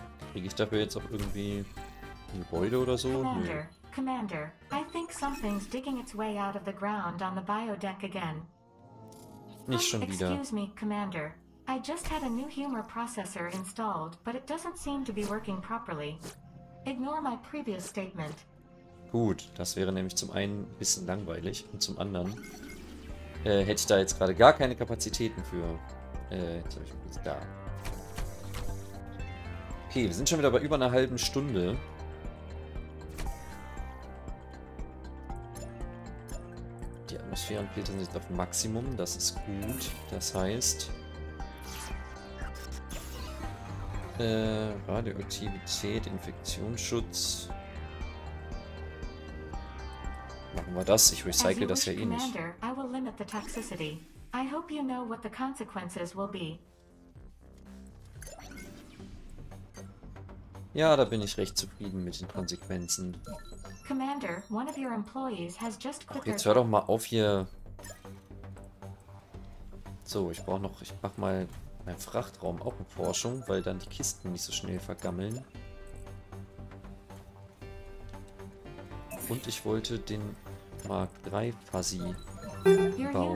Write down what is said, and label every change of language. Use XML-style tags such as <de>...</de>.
<de>Kriege ich dafür jetzt auch irgendwie ein Gebäude oder so? Commander, nee.</de> <en>Commander, I think something's digging its way out of the ground on the biodeck again.</en> <de>Nicht schon wieder.</de> <en>Excuse me, Commander. I just had a new humor processor installed, but it doesn't seem to be working properly. Ignore my previous statement.</en> <de>Gut, das wäre nämlich zum einen ein bisschen langweilig und zum anderen hätte ich da jetzt gerade gar keine Kapazitäten für. Jetzt habe ich mich da. Okay, wir sind schon wieder bei über einer halben Stunde. Die Atmosphärenfilter sind auf Maximum, das ist gut. Das heißt, Radioaktivität, Infektionsschutz. Machen wir das, ich recycle das ja eh nicht.</de> <en>Commander, I will limit the toxicity. I hope you know what the consequences will be.</en> <de>Ja, da bin ich recht zufrieden mit den Konsequenzen.</de> <en>Commander, one of your employees has just quit.</en> <de>Ach, jetzt hör doch mal auf hier. So, ich brauche noch, ich mach mal meinen Frachtraum auch in Forschung, weil dann die Kisten nicht so schnell vergammeln. Und ich wollte den Mark 3 Fuzzy bauen.</de>